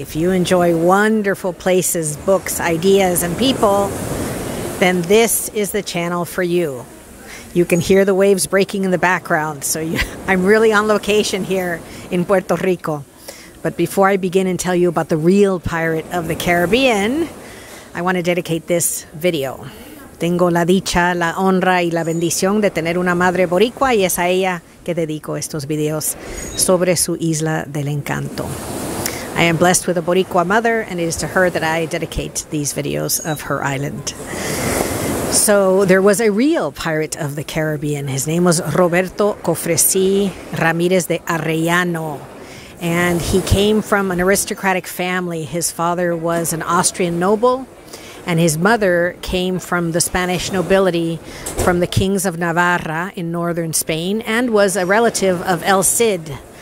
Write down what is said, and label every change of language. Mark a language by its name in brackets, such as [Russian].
[English] If you enjoy wonderful places, books, ideas, and people, then this is the channel for you. You can hear the waves breaking in the background, so I'm really on location here in Puerto Rico. But before I begin and tell you about the real pirate of the Caribbean, I want to dedicate this video. [Spanish] Tengo la dicha, la honra y la bendición de tener una madre boricua y es a ella que dedico estos videos sobre su isla del encanto. [English] I am blessed with a boricua mother and it is to her that I dedicate these videos of her island. So there was a real pirate of the Caribbean. His name was Roberto Cofresi Ramirez de Arellano. And he came from an aristocratic family. His father was an Austrian noble, and his mother came from the Spanish nobility, from the kings of Navarra in northern Spain, and was a relative of El Cid.